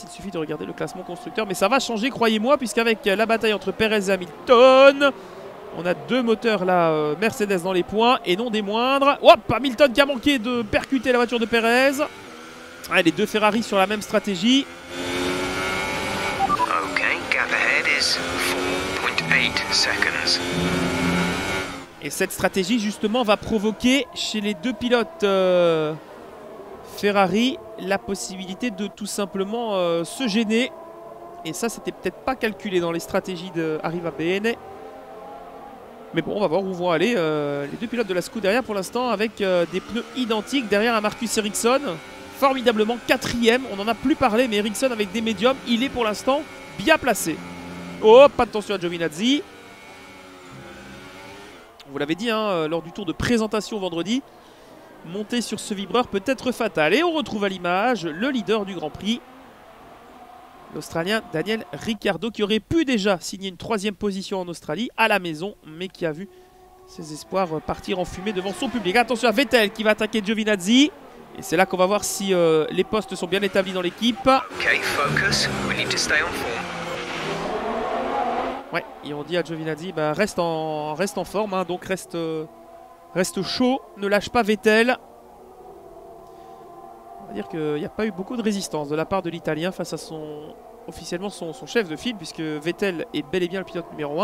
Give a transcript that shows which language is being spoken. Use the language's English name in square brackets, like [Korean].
[French] Il suffit de regarder le classement constructeur, mais ça va changer croyez-moi, puisqu'avec la bataille entre Perez et Hamilton, on a deux moteurs là, Mercedes dans les points et non des moindres. Hop, Hamilton qui a manqué de percuter la voiture de Perez. Ouais, les deux Ferrari sur la même stratégie. [English] Ok, gather head is 4.8 seconds. [French] Et cette stratégie justement va provoquer chez les deux pilotes Ferrari la possibilité de tout simplement se gêner. Et ça, c'était peut-être pas calculé dans les stratégies d'Arriva Bene. Mais bon, on va voir où vont aller les deux pilotes de la Scuderia pour l'instant avec des pneus identiques derrière un Marcus Ericsson. Formidablement quatrième, on n'en a plus parlé, mais Ericsson avec des médiums, il est pour l'instant bien placé. Oh, pas de tension à Giovinazzi. Vous l'avez dit hein, lors du tour de présentation vendredi, monter sur ce vibreur peut être fatal. Et on retrouve à l'image le leader du Grand Prix, l'Australien Daniel Ricciardo, qui aurait pu déjà signer une troisième position en Australie à la maison, mais qui a vu ses espoirs partir en fumée devant son public. Attention à Vettel qui va attaquer Giovinazzi. Et c'est là qu'on va voir si les postes sont bien établis dans l'équipe. [English] Ok, focus, we need to stay on form. [French] Ouais, et on dit à Giovinazzi, bah, reste en forme, hein, donc reste chaud, ne lâche pas Vettel. Dire qu'il n'y a pas eu beaucoup de résistance de la part de l'Italien face à officiellement son chef de file, puisque Vettel est bel et bien le pilote numéro 1.